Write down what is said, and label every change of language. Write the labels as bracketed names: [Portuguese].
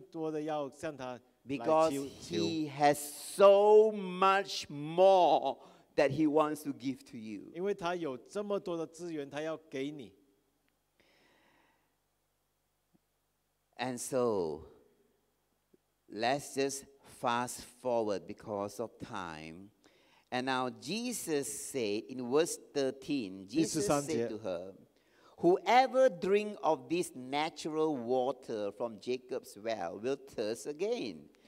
[Chinese] 你会更多、更经常、更多的要向他来求求。 [English] Because he has so much more that he wants to give to you. [Chinese] 因为他有这么多的资源，他要给你。 [English] And so, let's just fast forward because of time. And now Jesus said in verse 13, Jesus said to her, whoever drink of this natural water from Jacob's well will thirst again.